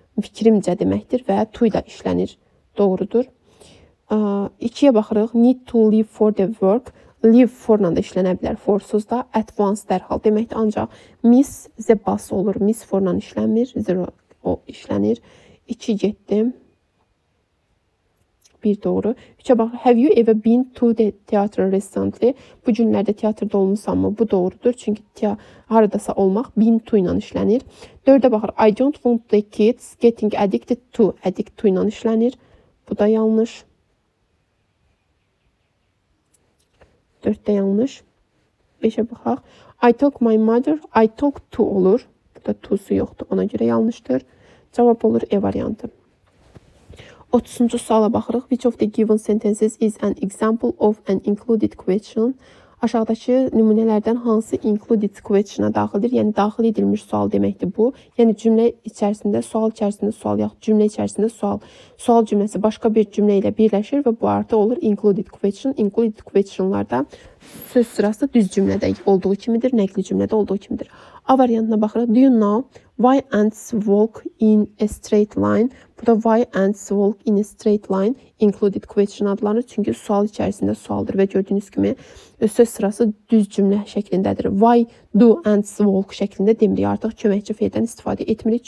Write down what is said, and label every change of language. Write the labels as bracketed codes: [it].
[az] Fikrimcə deməkdir və to ilə işlənir. Doğrudur. 2-yə baxırıq. [en] Need to leave for the work. Leave for-la [az] da işlənə bilər, forsuz da, [en] at once [az] dərhal deməkdir, ancaq [en] miss the bus olur, miss for-la [az] işlənmir, [en] zero [az] o işlənir. 2 getdim, 1 doğru. 3-ə bax, [en] have you ever been to the theater recently? [az] Bu günlərdə teatrda olmuşsanmı? Bu doğrudur, çünki haradasa olmaq been to ilə işlənir. 4-ə baxır, [en] I don't want the kids getting addicted to, addict to [az] ilə işlənir, bu da yanlış. 4-də yanlış. 5-ə baxaq. [en] I talk my mother, I talk to [az] olur. Burada to-su yoxdur, ona görə yanlışdır. Cavab olur E variantı. 30-cu suala baxırıq. [en] Which of the given sentences is an example of an included question? [az] Aşağıdakı nümunələrdən hansı included question-a daxildir? Yəni, daxil edilmiş sual deməkdir bu. Yəni, cümlə içərisində, sual içərisində sual, yaxud cümlə içərisində sual. Sual cümləsi başqa bir cümlə ilə birləşir və bu artı olur included question. Included question-larda söz sırası düz cümlədə olduğu kimidir, nəqli cümlədə olduğu kimidir. A variantına baxırıq. [en] Do you know why ants walk in a straight line? [az] Burada [en] why ants walk in a straight line included question [az] adlanır. Çünki sual içərisində sualdır və gördüyünüz kimi söz sırası düz cümlə şəklindədir. [en] Why do ants walk [az] şəklində demirik. Artıq köməkçi feildən istifadə etmirik.